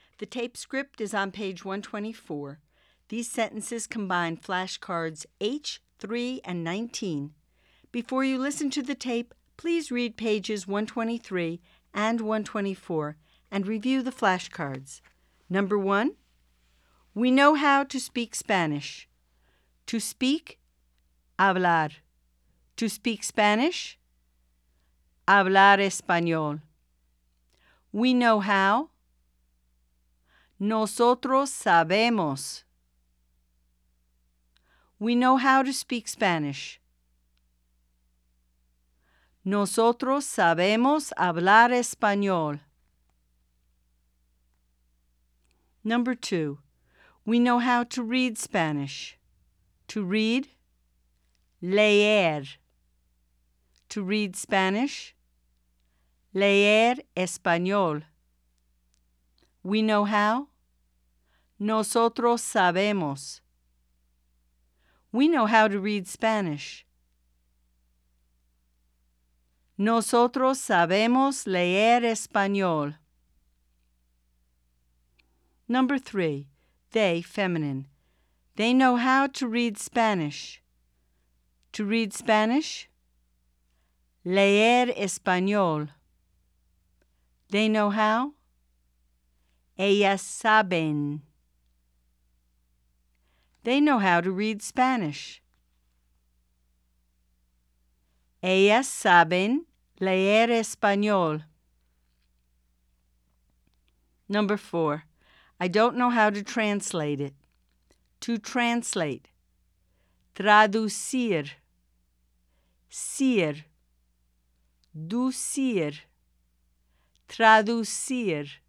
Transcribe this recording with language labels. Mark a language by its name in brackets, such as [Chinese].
[English] The tape script is on page 124. These sentences combine flashcards H, 3, and 19. Before you listen to the tape, please read pages 123 and 124 and review the flashcards. Number 1, we know how to speak Spanish. To speak, [Spanish] hablar. [English] To speak Spanish, [Spanish] hablar español. [English] We know how. [Spanish] Nosotros sabemos. [English] We know how to speak Spanish. [Spanish] Nosotros sabemos hablar español. [English] Number 2. We know how to read Spanish. To read, [Spanish] leer. [English] To read Spanish, [Spanish] leer español. [English] We know how. [Spanish] Nosotros sabemos. [English] We know how to read Spanish. [Spanish] Nosotros sabemos leer español. [English] Number 3. They, feminine. They know how to read Spanish. To read Spanish, [Spanish] leer español. [English] They know how? [Spanish] Ellas saben. [English] They know how to read Spanish. [Spanish] Ellas saben leer español. [English] Number 4. I don't know how to translate it. To translate. [Spanish] Traducir. [English] Sir. [Spanish] Ducir. Traducir.